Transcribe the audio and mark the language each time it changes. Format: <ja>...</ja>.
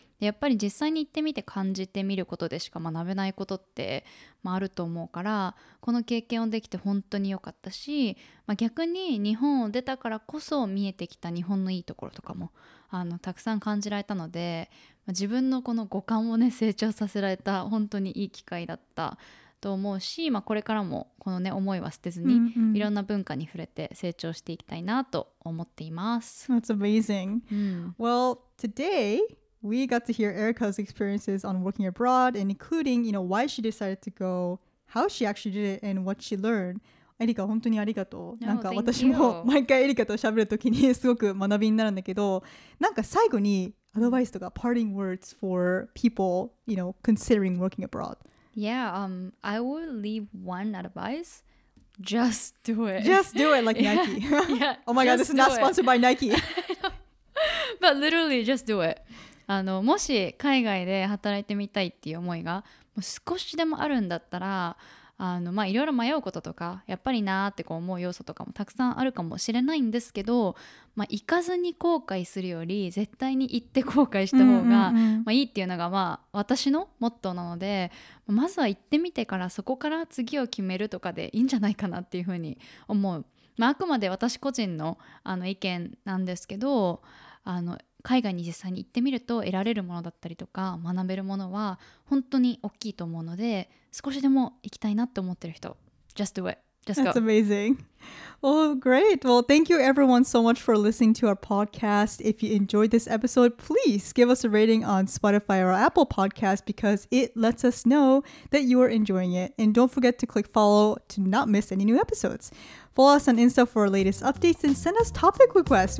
<ja>やっぱり実際に行ってみて感じてみることでしか学べないことって、まあ、あると思うから、この経験をできて本当に良かったし、まあ、逆に日本を出たからこそ見えてきた日本のいいところとかもあのたくさん感じられたので、まあ、自分のこの五感をね成長させられた本当にいい機会だったと思うし、まあ、これからもこのね思いは捨てずに、 mm-hmm. いろんな文化に触れて成長していきたいなと思っています。</ja> <en>That's amazing、 mm. Well, todayWe got to hear Erika's experiences on working abroad and including, you know, why she decided to go, how she actually did it, and what she learned.</en> <ja>Erika, 本当にありがとう。なんか私も毎回 Erika と喋るときにすごく学びになるんだけど、なんか最後にアドバイスとか</ja> <en>parting words for people, you know, considering working abroad. Yeah, I would leave one advice. Just do it. Just do it, like Nike. Yeah, oh my god, this is not sponsored by Nike. But literally, just do it.</en> <ja>あのもし海外で働いてみたいっていう思いがもう少しでもあるんだったら、まあ、いろいろ迷うこととかやっぱりなってこう思う要素とかもたくさんあるかもしれないんですけど、まあ、行かずに後悔するより絶対に行って後悔した方がまあいいっていうのがまあ私のモットーなので、まずは行ってみてからそこから次を決めるとかでいいんじゃないかなっていうふうに思う。まあ、あくまで私個人の、意見なんですけど、海外に実際に行ってみると得られるものだったりとか学べるものは本当に大きいと思うので、少しでも行きたいなって思ってる人、</ja> <en>Just do it. Just go. That's amazing. Oh, great. Well, thank you everyone so much for listening to our podcast. If you enjoyed this episode, please give us a rating on Spotify or Apple Podcast because it lets us know that you are enjoying it. And don't forget to click follow to not miss any new episodes. Follow us on Insta for our latest updates and send us topic requests.</en>